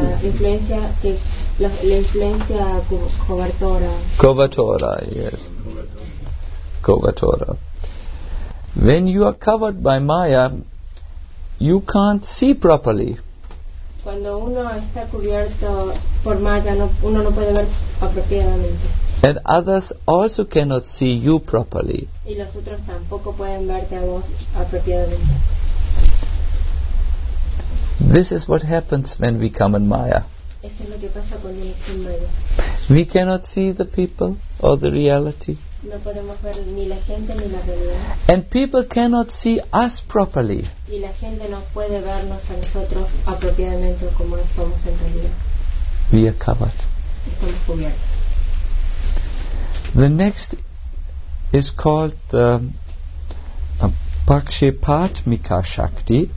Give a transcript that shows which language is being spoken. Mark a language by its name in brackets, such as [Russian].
[Spanish] Influencia, que la influencia cobertora. Cobertora, yes. Cobertora. [English] When you are covered by Maya, you can't see properly. [Spanish] Cuando uno está cubierto por Maya, uno no puede ver apropiadamente. [English] And others also cannot see you properly. [Spanish] Y los otros tampoco pueden verte a vos apropiadamente. [English] This is what happens when we come in Maya. [Spanish] Eso es lo que pasa cuando uno está en Maya. [English] We cannot see the people or the reality. [Spanish] No podemos ver ni la gente ni la realidad. [English] And people cannot see us properly. [Spanish] Y la gente no puede vernos a nosotros apropiadamente como somos en realidad. [English] We are covered. [Spanish] Estamos cubiertos. [English] The next is called Pakshepatmika Shakti.